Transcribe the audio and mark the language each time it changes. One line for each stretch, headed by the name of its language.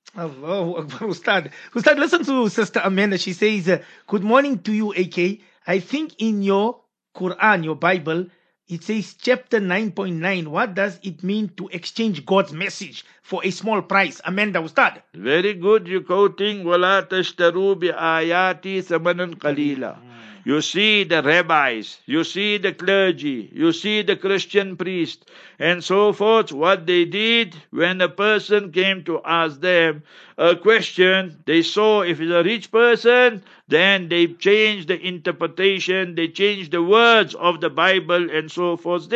English: Allahu Akbar, Ustad. Ustad, listen to Sister Amanda. She says, good morning to you, AK. I think in your Quran, your Bible, it says chapter 9.9. What does it mean to exchange God's message for a small price? Amanda, Ustad. Very good. You're quoting,
Arabic: وَلَا تَشْتَرُوا بِآيَاتِ ثَمَنًا قَلِيلًا.
English: You see the rabbis, you see the clergy, you see the Christian priest, and so forth. What they did, when a person came to ask them a question, they saw if it's a rich person, then they changed the interpretation, they changed the words of the Bible, and so forth.